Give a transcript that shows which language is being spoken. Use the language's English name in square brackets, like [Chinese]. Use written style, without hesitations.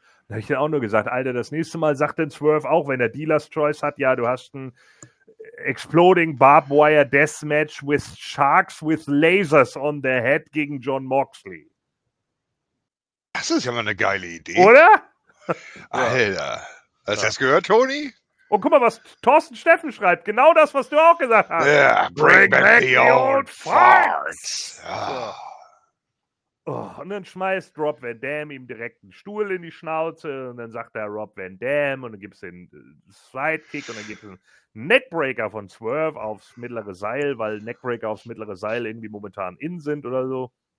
[German] Da habe ich dann auch nur gesagt, Alter, das nächste Mal sagt den Swerve auch, wenn er Dealer's Choice hat, ja, du hast ein [English] Exploding Barbed Wire Deathmatch with Sharks with Lasers on the Head [German] gegen Jon Moxley. Das ist ja mal eine geile Idee. Oder? Alter, hast du das gehört, Tony? Und guck mal, was Thorsten Steffen schreibt. Genau das, was du auch gesagt hast. [English] Yeah, bring back the old farts. Oh. [German] Und dann schmeißt Rob Van Dam ihm direkt einen Stuhl in die Schnauze. Und dann sagt er Rob Van Dam. Und dann gibt es den Sidekick. Und dann gibt es einen Neckbreaker von Swerve aufs mittlere Seil, weil Neckbreaker aufs mittlere Seil irgendwie momentan in sind oder so.